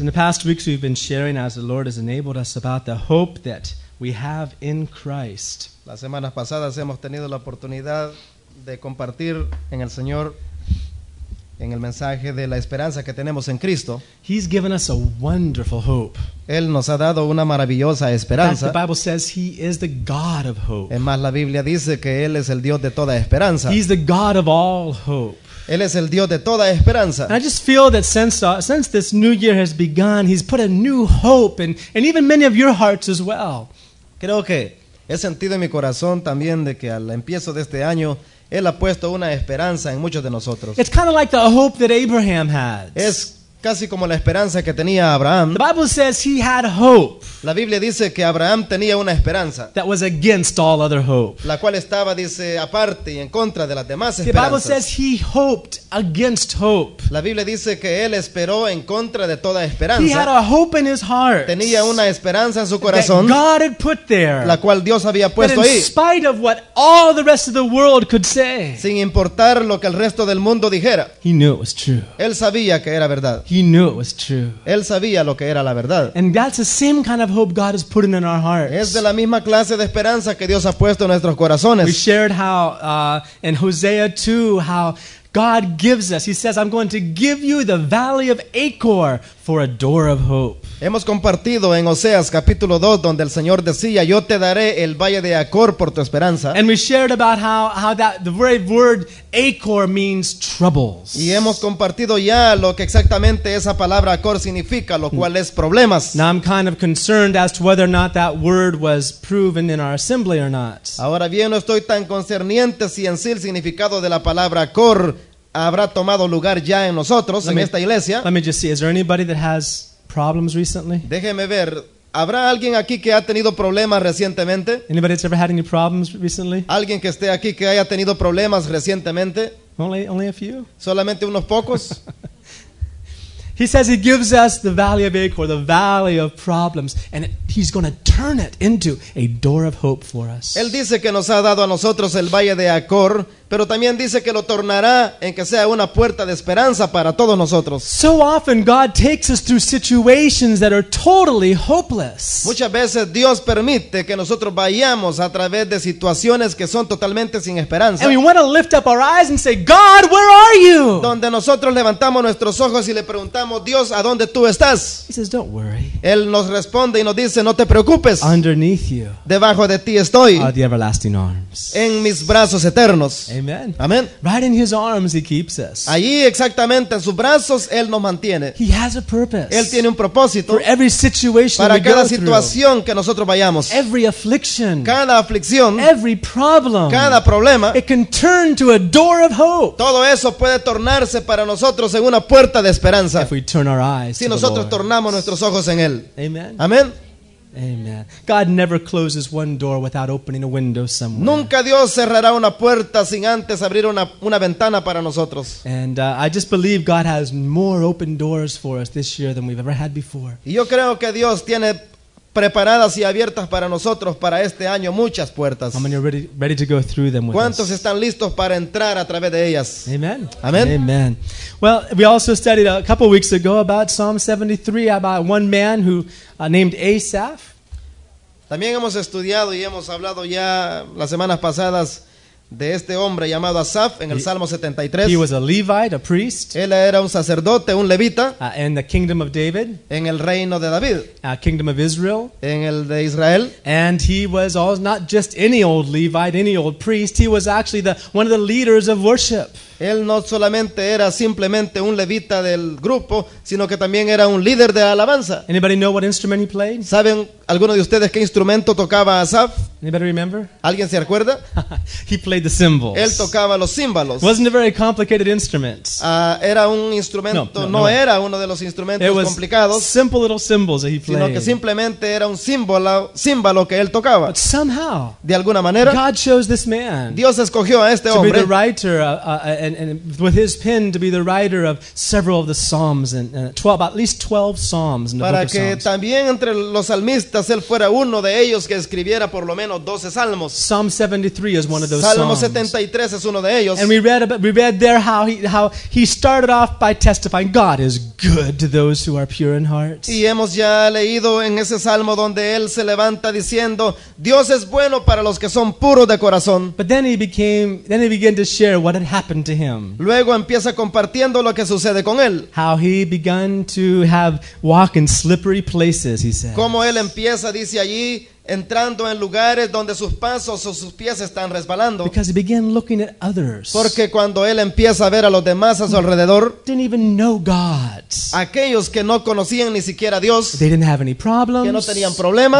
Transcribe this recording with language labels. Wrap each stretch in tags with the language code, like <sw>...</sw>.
<en>In the past weeks, we've been sharing as the Lord has enabled us about the hope that we have in Christ.</en> <es>Las semanas pasadas hemos tenido la oportunidad de compartir en el Señor en el mensaje de la esperanza que tenemos en Cristo.</es> <en>He's given us a wonderful hope.</en> <es>Él nos ha dado una maravillosa esperanza.</es> <en>The Bible says he is the God of hope.</en> <es>Es más, la Biblia dice que Él es el Dios de toda esperanza.</es> <en>He's the God of all hope.</en> <es>Él es el Dios de toda esperanza.</es> <en>And I just feel that since this new year has begun, he's put a new hope and even many of your hearts as well.</en> <es>Creo que he sentido en mi corazón también de que al empiezo de este año Él ha puesto una esperanza en muchos de nosotros.</es> <en>It's kind of like the hope that Abraham had.</en> <es>Es casi como la esperanza que tenía Abraham.</es> <en>The Bible says he had hope.</en> <es>La Biblia dice que Abraham tenía una esperanza.</es> <en>That was against all other hope.</en> <es>La cual estaba, dice, aparte y en contra de las demás esperanzas.</es> <en>The Bible says he hoped against hope.</en> <es>La Biblia dice que él esperó en contra de toda esperanza.</es> <en>He had a hope in his heart.</en> <es>Tenía una esperanza en su corazón.</es> <en>That God had put there.</en> <es>La cual Dios había puesto ahí.</es> <en>In spite of what all the rest of the world could say.</en> <es>Sin importar lo que el resto del mundo dijera.</es> <en>He knew it was true.</en> <es>Él sabía que era verdad.</es> <en>He knew it was true.</en> <es>Él sabía lo que era la verdad.</es> <en>And that's the same kind of hope God has put in our hearts.</en> <es>Es de la misma clase de esperanza que Dios ha puesto en nuestros corazones.</es> <en>We shared how in Hosea 2 how God gives us. He says, "I'm going to give you the valley of Achor for a door of hope."</en> <es>Hemos compartido en Oseas capítulo 2 donde el Señor decía, "Yo te daré el valle de Achor por tu esperanza."</es> <en>And we shared about how that the very word Achor means troubles.</en> <es>Y hemos compartido ya lo que exactamente esa palabra Achor significa, lo cual es problemas.</es> <en>Now I'm kind of concerned as to whether or not that word was proven in our assembly or not.</en> <es>Ahora bien, no estoy tan concerniente si en sí el significado de la palabra Achor habrá tomado lugar ya en nosotros, en esta iglesia.</es> <en>Let me just see, is there anybody that has problems recently?</en> <es>Déjeme ver. ¿Habrá alguien aquí que ha tenido problemas recientemente?</es> <en>Anybody that's ever had any problems recently?</en> <es>¿Alguien que esté aquí que haya tenido problemas recientemente?</es> <en>Only a few.</en> <es>¿Solamente unos pocos?</es> <en>He says he gives us the valley of Achor, the valley of problems, and he's going to turn it into a door of hope for us.</en> <es>Él dice que nos ha dado a nosotros el valle de Achor, pero también dice que lo tornará en que sea una puerta de esperanza para todos nosotros.</es> <en>So often God takes us through situations that are totally hopeless.</en> <es>Muchas veces Dios permite que nosotros vayamos a través de situaciones que son totalmente sin esperanza.</es> <en>And we want to lift up our eyes and say, God, where are you?</en> <es>Donde nosotros levantamos nuestros ojos y le preguntamos, Dios, ¿a dónde tú estás?</es> <en>He says, don't worry.</en> <es>Él nos responde y nos dice, no te preocupes.</es> <en>Underneath you.</en> <es>Debajo de ti estoy.</es> <en>Are the everlasting arms.</en> <es>En mis brazos eternos. Amen. Amen.</es> <en>Right in his arms he keeps us.</en> <es>Allí exactamente en sus brazos él nos mantiene.</es> <en>He has a purpose.</en> <es>Él tiene un propósito.</es> <en>For every situation</en> <es>para</es> <en>we</en> <es>cada</es> <en>go</en> <es>situación</es> <en>through.</en> <es>Que nosotros vayamos.</es> <en>Every affliction.</en> <es>Cada aflicción.</es> <en>Every problem.</en> <es>Cada problema.</es> <en>It can turn to a door of hope.</en> <es>Todo eso puede tornarse para nosotros en una puerta de esperanza.</es> <en>If we turn our eyes.</en> <es>Si nosotros</es> <en>to the Lord.</en> <es>Tornamos nuestros ojos en él. Amen. Amen.</es> <en>Amen. God never closes one door without opening a window somewhere.</en> <es>Nunca Dios cerrará una puerta sin antes abrir una ventana para nosotros.</es> <en>And I just believe God has more open doors for us this year than we've ever had before.</en> <es>Y yo creo que Dios tiene preparadas y abiertas para nosotros para este año muchas puertas.</es> <en>How many are ready to go through them with</en> <es>¿Cuántos ¿Cuántos están listos para entrar a través de ellas? Amen. Amen. Amen.</es> <en>Well, we also studied a couple weeks ago about Psalm 73 about one man who named Asaph.</en> <es>También hemos estudiado y hemos hablado ya las semanas pasadas de este hombre llamado Asaph en el Salmo 73.</es> <en>He was a Levite, a priest.</en> <es>Él era un sacerdote, un levita.</es> <en>In the kingdom of David.</en> <es>En el reino de David.</es> <en>Kingdom of Israel.</en> <es>En el de Israel.</es> <en>And he was also not just any old Levite, any old priest. He was actually one of the leaders of worship.</en> <es>Él no solamente era simplemente un levita del grupo, sino que también era un líder de alabanza.</es> <en>Anybody know what instrument he played?</en> <es>¿Saben alguno de ustedes qué instrumento tocaba Asaph?</es> <en>Anybody remember?</en> <es>¿Alguien se acuerda?</es> <en>He played the cymbals.</en> <es>Él tocaba los címbalos.</es> <en>Wasn't a very complicated instrument.</en> <es>Era un instrumento, no era uno de los instrumentos</es> <en>it was</en> <es>complicados.</es> <en>Simple little cymbals that he played.</en> <es>Sino que simplemente era un címbalo que él tocaba.</es> <en>But somehow,</en> <es>de alguna manera,</es> <en>God chose this man.</en> <es>Dios escogió a este</es> <en>to</en> <es>hombre.</es> <en>To be the writer, and with his pen to be the writer of several of the psalms and 12 at least 12 psalms in the</en> <es>para</es> <en>book</en> <es>que</es> <en>of psalms.</en> <es>También entre los salmistas él fuera uno de ellos que escribiera por lo menos 12 salmos.</es> <en>Psalm 73 is one of those</en> <es>Salmo</es> <en>psalms.</en> <es>Salmo 73 es uno de ellos.</es> <en>And we read there how he started off by testifying God is good to those who are pure in heart.</en> <es>Y hemos ya leído en ese salmo donde él se levanta diciendo Dios es bueno para los que son puros de corazón.</es> <en>But then he began to share what had happened to him.</en> <es>Luego empieza compartiendo lo que sucede con él.</es> <en>How he began to walk in slippery places, he says.</en> <es>Como él empieza, dice allí, entrando en lugares donde sus pasos o sus pies están resbalando.</es> <en>Because he began looking at others.</en> <es>Porque cuando él empieza a ver a los demás a su alrededor,</es> <en>didn't even know God.</en> <es>Aquellos que no conocían ni siquiera a Dios,</es> <en>they didn't have any problems.</en> <es>Que no tenían problemas,</es>